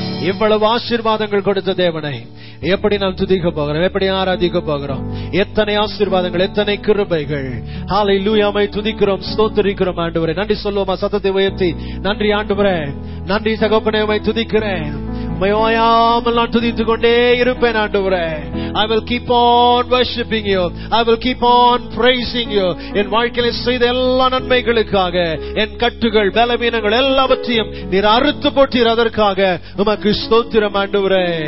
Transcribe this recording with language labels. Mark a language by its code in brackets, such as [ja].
[ta] இவ்வளவு ஆசீர்வாதங்கள் கொடுத்த தேவனை எப்படி நாம் துதிக்க போகிறோம் எப்படி ஆராதிக்க போகிறோம் எத்தனை ஆசீர்வாதங்கள் எத்தனை கிருபைகள் ஹாலேலூயாமை துதிக்கிறோம் ஸ்தோத்திரிக்கிறோம் ஆண்டவரே நன்றி சொல்லுவோமா சத்தத்தை உயர்த்தி நன்றி ஆண்டவரே நன்றி சகோப்பனே உமை துதிக்கிறேன் ஓயாமல் நான் துதித்துக் கொண்டே இருப்பேன் ஆண்டவரே [en] I will keep on worshiping you. I will keep on praising you. [ta] என் வாழ்க்கையில் செய்த எல்லா நன்மைகளுக்காக என் கட்டுகள் பலவீனங்கள் எல்லாவற்றையும் நீர் அறுத்து போட்டீர் அதற்காக உமக்கு ஸ்தோத்திரம் ஆண்டவரே